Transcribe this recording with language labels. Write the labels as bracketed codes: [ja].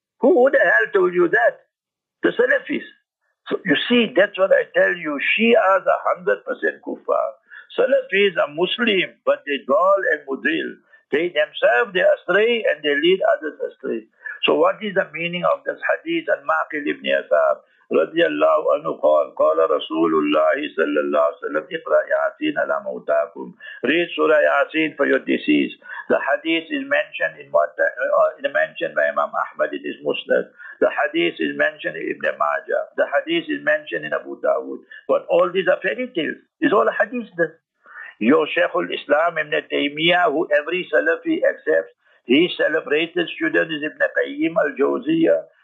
[en] Who the hell told you that? The Salafis. So you see, that's what I tell you. Shias are 100% kuffar. Salafis are Muslim, but they dhal and mudril. They themselves, they are astray and they lead others astray. So what is the meaning of this hadith and Maqil ibn Yasar? [ar] رضي الله عنه قال قال رسول الله صلى الله عليه وسلم اقرأ ياسين على موتاكم. [en] Read Surah Yasin for your deceased. The hadith is mentioned in what mentioned by Imam Ahmad in his Musnad. The hadith is mentioned in Ibn Majah. The hadith is mentioned in Abu Dawud. But all these are fairy tales. It's all hadith. Your Sheikh al-Islam Ibn Taymiyyah, who every Salafi accepts, his celebrated student is Ibn Qayyim al-Jawziyyah.